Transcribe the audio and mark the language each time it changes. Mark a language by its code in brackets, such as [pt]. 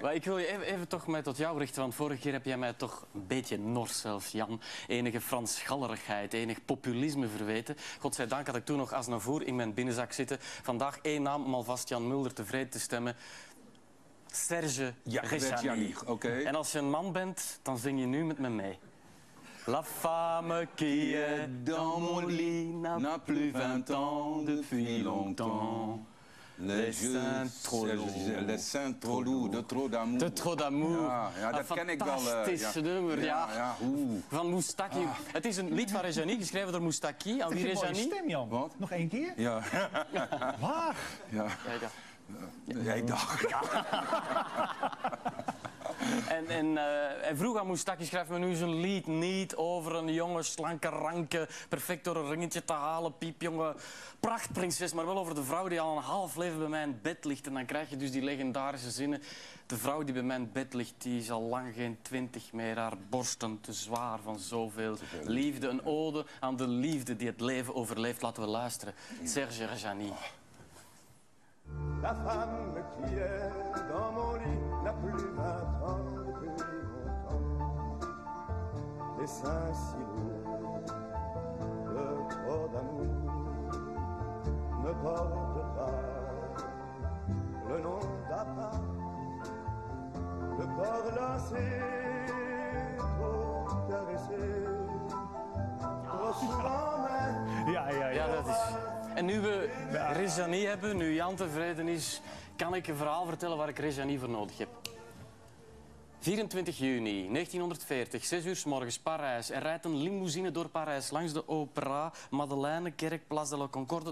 [nl] Maar ik wil je even toch mij tot jou richten. Want vorige keer heb jij mij toch een beetje nors zelfs, Jan. Enige Frans galerigheid, enig populisme verweten. Godzijdank had ik toen nog Aznavour in mijn binnenzak zitten. Vandaag één naam om alvast Jan Mulder tevreden te stemmen. Serge Reggiani. Okay. En als je een man bent, dan zing je nu met me mee. [fr] La femme qui est dans mon lit n'a plus 20 ans depuis longtemps. Les seins trop lourds, de trop d'amour. De trop d'amour. [nl] Ja, dat ken ik wel. Een fantastisch nummer, ja. Ja, van Moustaki. Ah. Het is een lied van Reggiani, geschreven door Moustaki. Aan wie Reggiani? Dat is een mooie stem, Jan. Wat? Nog één keer? Ja. Waar? Ja. Ja. Jij dacht. Ja. En vroeg aan Moustaki, schrijf me nu zo'n lied niet over een jonge, slanke, ranke, perfect door een ringetje te halen, piepjonge, prachtprinses, maar wel over de vrouw die al een half leven bij mijn bed ligt. En dan krijg je dus die legendarische zinnen. De vrouw die bij mijn bed ligt, die is al lang geen 20 meer, haar borsten te zwaar van zoveel liefde. Een ode aan de liefde die het leven overleeft. Laten we luisteren. Serge Reggiani. [fr] La femme qui est dans mon lit n'a plus 20 ans depuis longtemps. Les seins si lourds, le trop d'amour ne porte pas le nom d'un pas. Le corps lassé, trop caressé, trop souvent même. [nl] Ja, ja, ja, dat is. En nu we Reggiani hebben, nu Jan tevreden is, kan ik een verhaal vertellen waar ik Reggiani voor nodig heb. 24 juni 1940, 6 uur 's morgens, Parijs. Er rijdt een limousine door Parijs langs de Opera, Madeleine, Kerk, Place de la Concorde.